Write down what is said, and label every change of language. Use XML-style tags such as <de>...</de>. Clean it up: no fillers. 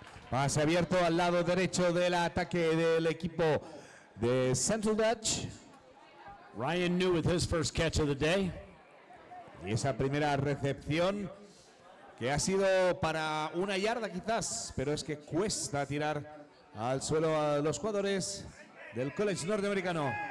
<es>Pase abierto al lado derecho del ataque del equipo de Central Dutch.</es> <en>Ryan New with his first catch of the day.</en> <es>Y esa primera recepción que ha sido para una yarda quizás, pero es que cuesta tirar al suelo a los jugadores del College norteamericano.</es>